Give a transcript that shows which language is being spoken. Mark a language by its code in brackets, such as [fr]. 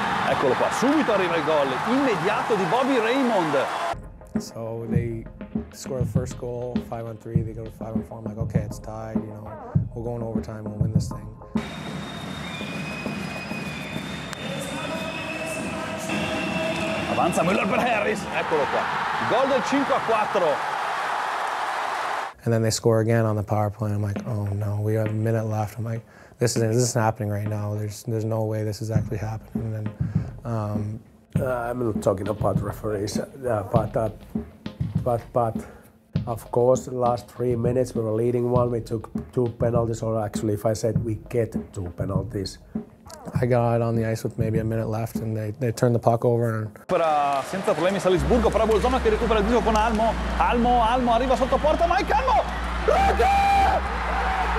[it] Eccolo qua, subito arriva il gol immediato di Bobby Raymond. [en] So they score the first goal, 5-on-3, they go to 5-on-4. I'm like, okay, it's tied, you know, we'll go in overtime, we'll win this thing. [it] Avanza Müller per Harris, eccolo qua. Gol del 5-4. [en] And then they score again on the power play. I'm like, oh no, we have a minute left. I'm like, this isn't happening right now. There's no way this is actually happening. And then, I'm not talking about referees, but of course the last 3 minutes we were leading one, we took two penalties, or actually if I said we get two penalties. I got on the ice with maybe a minute left and they turned the puck over and [it] senza problemi Salisburgo, però Bolzano che recupera il disco con Almo, arriva sotto porta, Mike Almo! Rete!